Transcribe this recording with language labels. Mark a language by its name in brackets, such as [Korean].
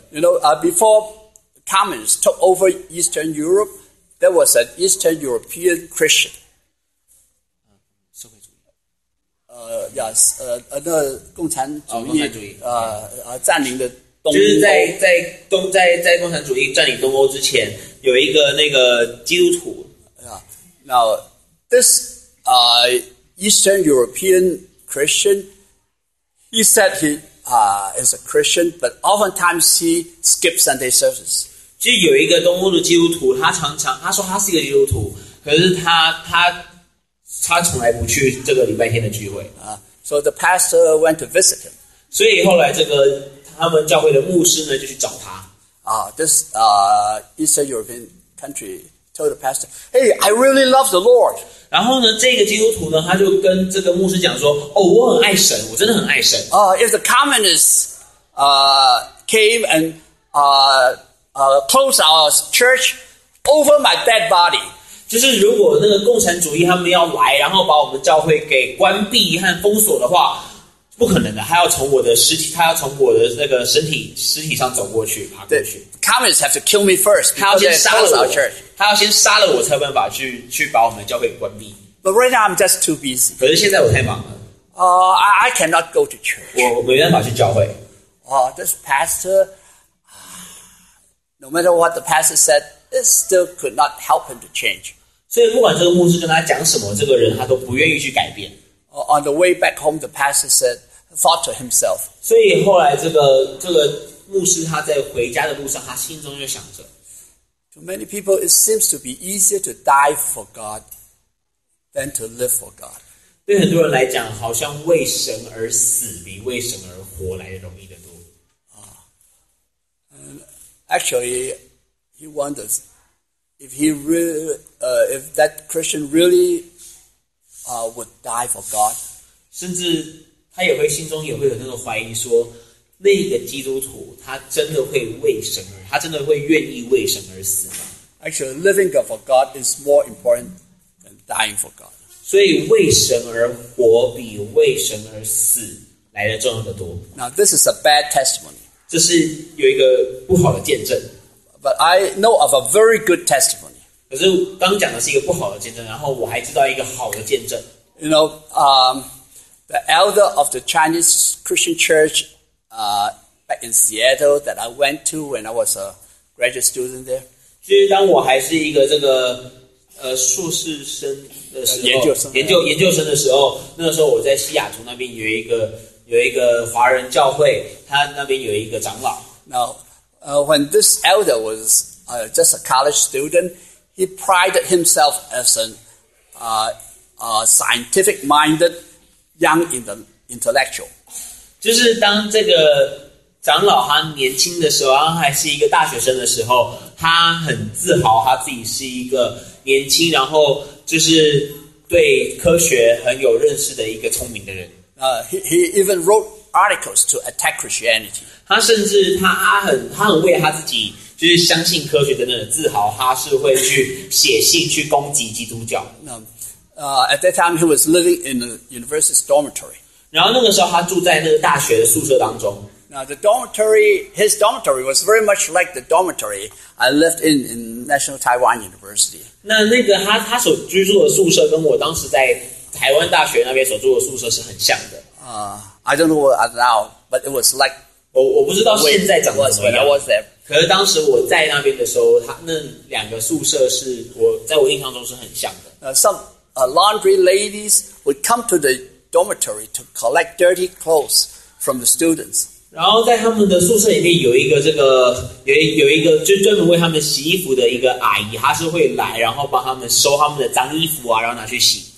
[English] You know, before communists took over Eastern Europe, there was an Eastern European Christian. [Chinese] 那共产主义，占领的东欧，就是在共产主义占领东欧之前，有一个那个基督徒啊。 [English] Now this Eastern European Christian, he said he is a Christian, but oftentimes he skips Sunday service. [Chinese] 就有一个东欧的基督徒，他常常他说他是一个基督徒，可是他从来不去这个礼拜天的聚会 [English] 啊。So the pastor went to visit him. [Chinese] 所以后来这个他们教会的牧师呢就去找他啊。 [English] This Eastern European country told the pastor, "Hey, I really love the Lord." [Chinese] 然后呢，这个基督徒呢，他就跟这个牧师讲说，哦，我很爱神，我真的很爱神。 [English] If the communists came and close our church over my dead body. [Chinese] 就是如果那个共产主义他们要来，然后把我们教会给关闭和封锁的话，不可能的。他要从我的尸体，他要从我的那个尸体上走过去，爬过去。 [English] Communists have to kill me first. [Chinese] 他要先杀了我，他要先杀了我才有办法去把我们的教会关闭。 [English] But right now I'm just too busy. [Chinese] 可是现在我太忙了。 [English] I cannot go to church. [Chinese] 我没办法去教会。 [English] This pastor, no matter what the pastor said. It still could not help him to change. [Chinese] 所以不管这个牧师跟他讲什么，这个人他都不愿意去改变。 [English] On the way back home, the pastor said, thought to himself. [Chinese] 所以后来这个牧师他在回家的路上，他心中就想着。 [English] To many people, it seems to be easier to die for God than to live for God. [Chinese] 对很多人来讲，好像为神而死比为神而活来的容易得多。 [English] Actually. He wonders if he really, if that Christian really, would die for God. [Chinese] 甚至他也会心中也会有那个怀疑说，那个基督徒他真的会为神而，他真的会愿意为神而死吗？ [English] Actually, living for God is more important than dying for God. [Chinese] 所以为神而活比为神而死来的重要的多。 [English] Now, this is a bad testimony. [Chinese] 这是有一个不好的见证。 [English] But I know of a very good testimony. [Chinese] 可是刚讲的是一个不好的见证，然后我还知道一个好的见证。 [English] You know, the elder of the Chinese Christian Church, back in Seattle that I went to when I was a graduate student there. [Chinese] 就是当我还是一个这个硕士生的时候，研究生的时候，那个时候我在西雅图那边有一个华人教会，他那边有一个长老。 [English] Now,when this elder was just a college student, he prided himself as a scientific-minded young intellectual. [Chinese] 就是当这个长老他年轻的时候，然后还是一个大学生的时候，他很自豪他自己是一个年轻，然后就是对科学很有认识的一个聪明的人。 [English] He even wrote articles to attack Christianity. [Chinese] 他甚至他很为他自己就是相信科学等等的自豪，他是会去写信去攻击基督教。 [English] At that time he was living in the university's dormitory. [Chinese] 然后那个时候他住在那个大学的宿舍当中。 [English] Now the dormitory, his dormitory was very much like the dormitory I lived in National Taiwan University. [Chinese] 那个他所居住的宿舍跟我当时在台湾大学那边所住的宿舍是很像的。 [English] I don't know what I now, but it was like. [Chinese] 我不知道现在长得怎么样。可是当时我在那边的时候，他那两个宿舍是我在我印象中是很像的。 [English] Some laundry ladies would come to the dormitory to collect dirty clothes from the students. [Chinese] 然后在他们的宿舍里面有一个就专门为他们洗衣服的一个阿姨，她是会来然后帮他们收他们的脏衣服啊，然后拿去洗。